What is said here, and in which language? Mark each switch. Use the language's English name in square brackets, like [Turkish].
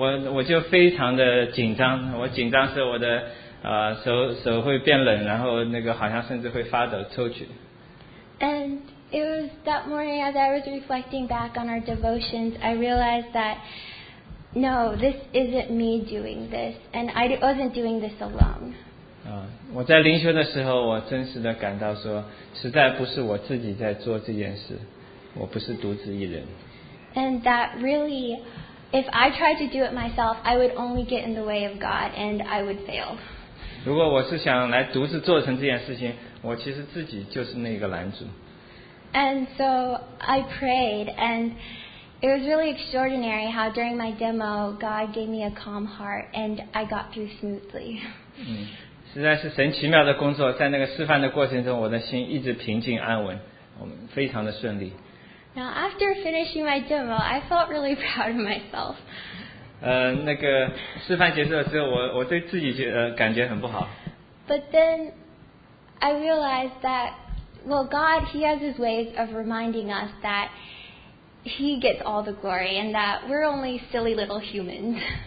[Chinese] 我就非常的紧张，我紧张是我的手会变冷，然后那个好像甚至会发抖抽搐。And [English] it was that morning as I was reflecting back on our devotions, I realized that no, this isn't me doing this, and I wasn't doing this alone. [Chinese] 我在灵修的时候，我真实的感到说，实在不是我自己在做这件事，我不是独自一人。 [English] And that really If I tried to do it myself, I would only get in the way of God and I would fail. [Chinese] 如果我是想来独自做成这件事情，我其实自己就是那个拦阻。 [English] And so I prayed, and it was really extraordinary how during my demo, God gave me a calm heart, and I got through smoothly. [Chinese] 实在是神奇妙的工作，在那个示范的过程中，我的心一直平静安稳，非常的顺利。 [English] Now after finishing my demo, I felt really proud of myself. [Chinese] 那个示范结束的时候，我对自己觉感觉很不好。But [English] then I realized that, well, God, He has His ways of reminding us that He gets all the glory and that we're only silly little humans.